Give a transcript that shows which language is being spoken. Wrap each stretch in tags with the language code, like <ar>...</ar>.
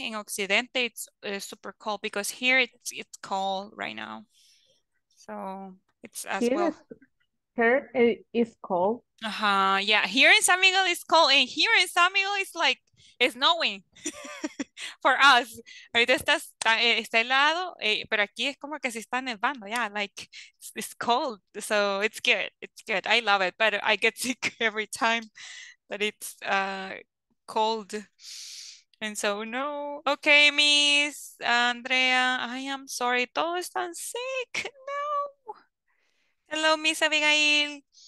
<en>In Occidente, it's super cold because here it's cold right now. So it's as here well. Here it is cold. Here in San Miguel it's cold. And here in San Miguel it's snowing for us.</en> <es>Ahorita está helado, pero aquí es como que se está nevando.</es> <en>Yeah, it's cold. So it's good. It's good. I love it. But I get sick every time that it's cold. And so, no. Okay, Miss Andrea, I am sorry.</en> <es>Todos están</es> <en>sick.</en> <es>No.</es> <en>Hello, Miss Abigail.</en>